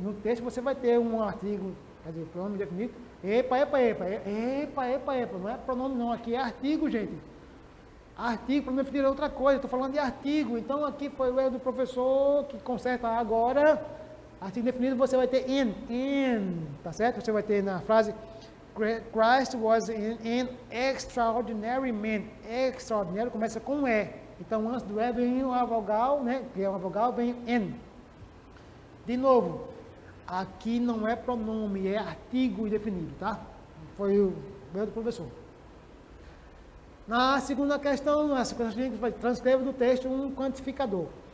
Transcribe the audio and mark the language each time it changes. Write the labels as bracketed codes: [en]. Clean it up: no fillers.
[pt] No texto você vai ter um artigo, quer dizer, pronome definido. Epa, epa, epa. Epa, epa, epa. Não é pronome não, aqui é artigo, gente. Artigo, pronome definido é outra coisa. Estou falando de artigo. Então, aqui foi o erro do professor que conserta agora. Artigo definido você vai ter in. In. Tá certo? Você vai ter na frase... [en] Christ was an extraordinary man. [pt] Extraordinário começa com E. Então, antes do E vem uma vogal, né? Que é uma vogal, vem N. De novo, aqui não é pronome, é artigo indefinido, tá? Foi o meu professor. Na segunda questão, a segunda questão, transcreve do texto um quantificador.